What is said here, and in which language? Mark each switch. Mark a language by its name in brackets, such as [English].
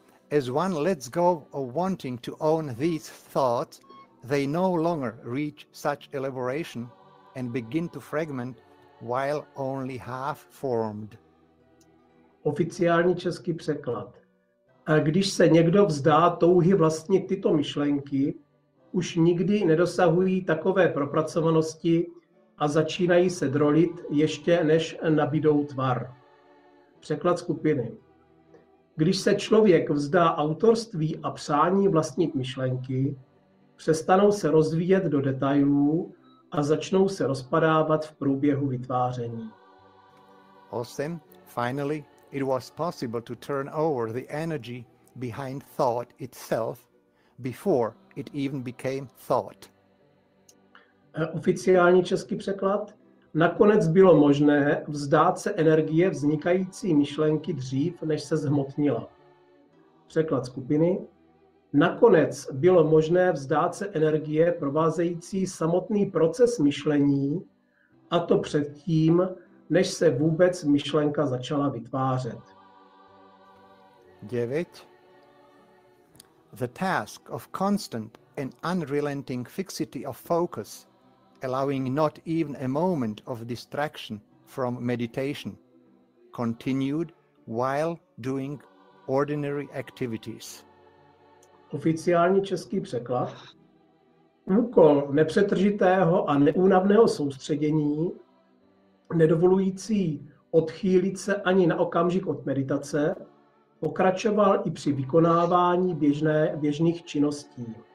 [English] As one lets go of wanting to own these thoughts, they no longer reach such elaboration and begin to fragment while only half formed. [Czech] Oficiální český překlad. A když se někdo vzdá touhy vlastnit tyto myšlenky, už nikdy nedosahují takové propracovanosti a začínají se drolit, ještě než nabídou tvar. Překlad skupiny. Když se člověk vzdá autorství a přání vlastnit myšlenky, přestanou se rozvíjet do detailů a začnou se rozpadávat v průběhu vytváření. 8. [English] Finally, it was possible to turn over the energy behind thought itself before it even became thought. [Czech] Oficiální český překlad. Nakonec bylo možné vzdát se energie vznikající myšlenky dřív, než se zhmotnila. Překlad skupiny. Nakonec bylo možné vzdát se energie provázející samotný proces myšlení, a to předtím, než se vůbec myšlenka začala vytvářet. 9. [English] The task of constant and unrelenting fixity of focus, allowing not even a moment of distraction from meditation, continued while doing ordinary activities. [Czech] Oficiální český překlad. Úkol nepřetržitého a neúnavného soustředění, nedovolující odchýlit se ani na okamžik od meditace, pokračoval i při vykonávání běžných činností.